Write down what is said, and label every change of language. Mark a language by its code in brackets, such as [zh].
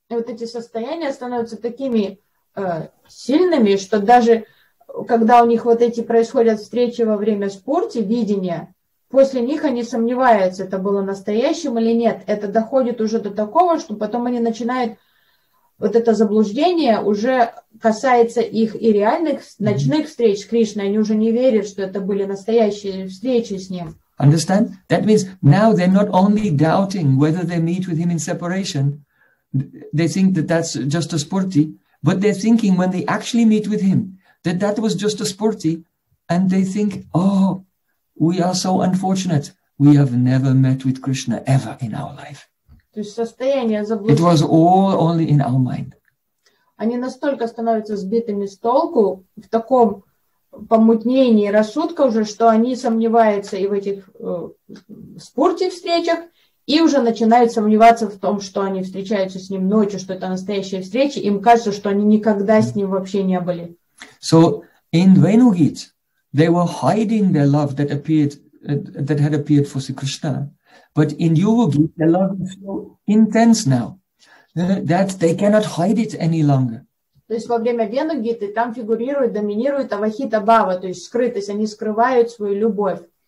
[ru] И вот эти состояния становятся такими сильными, что даже когда у них вот эти происходят встречи во время спорти, видения, после них они сомневаются, это было настоящим или нет. Это доходит уже до такого, что потом они начинают вот это заблуждение уже касается их и реальных ночных встреч с Кришной. Они уже не верят, что это были настоящие встречи с ним. [en] Understand? That means now they're not only doubting whether they meet with him in separation. They think that that's just a spurti, but they're thinking when they actually meet with him that that was just a spurti, and they think, oh, we are so unfortunate. We have never met with Krishna ever in our life. [ru] То есть состояние заблуждения. [en] It was all only in our mind. [ru] Они настолько становятся сбитыми с толку в таком помутнение рассудка уже, что они сомневаются и в этих спорте встречах, и уже начинают сомневаться в том, что они встречаются с ним ночью, что это настоящая встреча, им кажется, что они никогда с ним вообще не были. [en] So in Venugit, they were hiding their love that appeared, that had appeared for Sri Krishna. But in Yogogit, their love is so intense now that they cannot hide it any longer. [ru] То есть во время Венугиты там фигурирует, доминирует Авахита Бава, то есть скрытость, они скрывают свою любовь.